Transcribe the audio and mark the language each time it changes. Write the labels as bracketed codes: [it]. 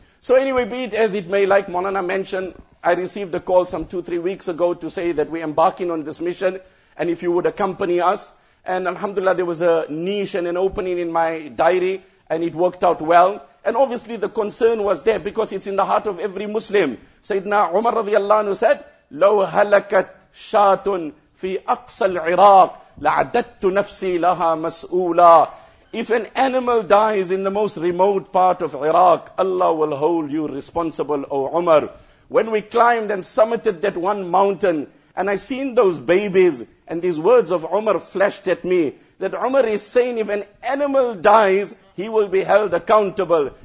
[en] So anyway, be it as it may, like Maulana mentioned, I received a call some 2-3 weeks ago to say that we're embarking on this mission, and if you would accompany us. And alhamdulillah, there was a niche and an opening in my diary, and it worked out well. And obviously the concern was there, because it's in the heart of every Muslim. Sayyidina Umar radiallahu anhu said, [ar] لو هلكت شاة في أقصى العراق لعددت نفسي لها مسؤولا. [en] If an animal dies in the most remote part of Iraq, Allah will hold you responsible, O Umar. When we climbed and summited that one mountain, and I seen those babies, and these words of Umar flashed at me, that Umar is saying, if an animal dies, he will be held accountable.